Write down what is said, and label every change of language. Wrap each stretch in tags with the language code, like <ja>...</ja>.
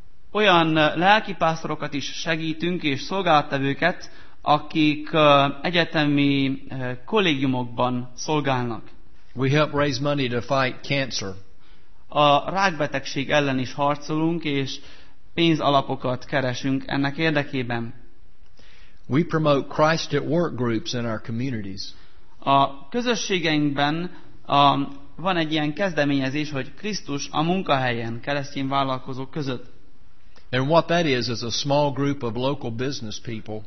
<hu>Olyan lelkipásztorokat is segítünk és szolgálattevőket, akik egyetemi kollégiumokban szolgálnak.</hu> <en>We help raise money to fight cancer.</en> <hu>A rákbetegség ellen is harcolunk és pénzalapokat keresünk ennek érdekében.</hu> <en>We promote Christ at work groups in our communities.</en> <hu>A közösségeinkben van egy ilyen kezdeményezés, hogy Krisztus a munkahelyen, keresztény vállalkozók között.</hu> <en>And what that is a small group of local business people.</en>